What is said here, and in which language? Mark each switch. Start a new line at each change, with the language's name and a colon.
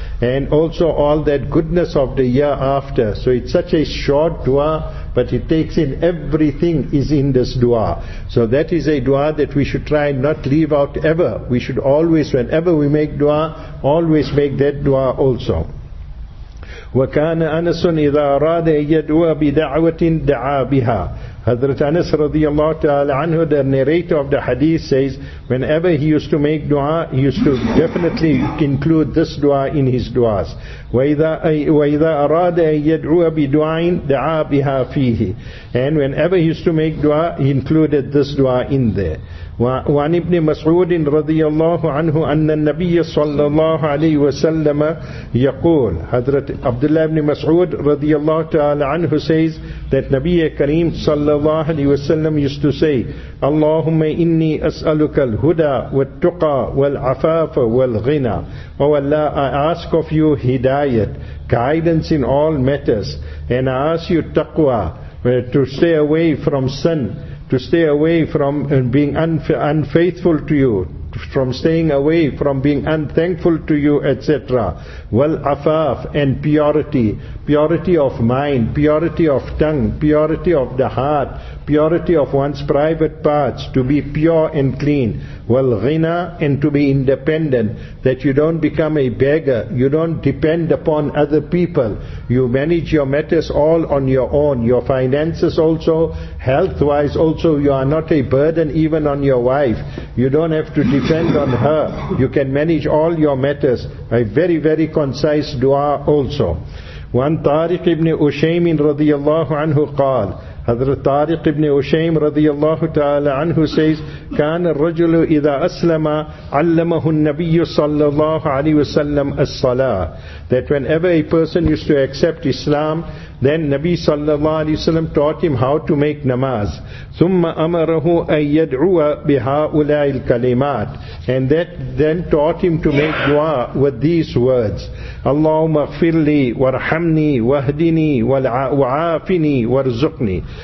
English: And also all that goodness of the year after. So it's such a short dua, but it takes in everything is in this dua. So that is a dua that we should try not leave out ever. We should always, whenever we make dua, always make that dua also.
Arabic: وَكَانَ أَنَسٌ إِذَا أَرَادَ يَدْوَى بِدَعْوَةٍ دَعَى بِهَا.
English: Hazrat Anas radiallahu ta'ala anhu, the narrator of the hadith, says whenever he used to make dua, he used to definitely include this dua in his duas.
Arabic: وَإِذَا أَرَادَ يَدْعُوَ بِدُعَاءٍ دَعَى بِهَا فِيهِ.
English: And whenever he used to make dua, he included this dua in there.
Arabic: وعن ابن مسعود رضي الله عنه أن النبي صلى الله عليه وسلم يقول. حضرت عبد الله بن مسعود رضي الله تعالى عنه
English: says that
Arabic: نبي كريم صلى الله عليه وسلم
English: used to say,
Arabic: اللهم إني أسألك الهدى والتقى والعفاف والغنى.
English: Oh Allah, I ask of you hidayat, guidance in all matters, and I ask you taqwa, to stay away from sin, to stay away from being unfaithful to you, from staying away from being unthankful to you, etc. Wal afaf, and purity, purity of mind, purity of tongue, purity of the heart, purity of one's private parts, to be pure and clean. Wal ghina, and to be independent, that you don't become a beggar, you don't depend upon other people, you manage your matters all on your own, your finances also, health wise also, you are not a burden even on your wife, you don't have to depend on her, you can manage all your matters. A very, very concise dua also.
Arabic: وعن طارق بن أشيم رضي الله عنه قال Hazrat Tariq ibn Ushaym radiyallahu ta'ala anhu
English: says,
Arabic: كَانَ الرَّجُلُ إِذَا أَسْلَمَ عَلَّمَهُ النَّبِيُّ صَلَّى اللَّهُ عَلَيْهِ وَسَلَّمْ الصَّلَاةِ.
English: That whenever a person used to accept Islam, then Nabi sallallahu alayhi wa sallam taught him how to make namaz.
Arabic: ثُمَّ أَمَرَهُ أَن يَدْعُوَ بِهَاؤُلَاءِ الْكَلِمَاتِ.
English: And that then taught him to make dua with these words.
Arabic: اللَّهُمَ اغْفِرْ لِي وَارْحَمْنِي وَاهْدِنِي وَعَافِنِي وَارْزُقْنِي.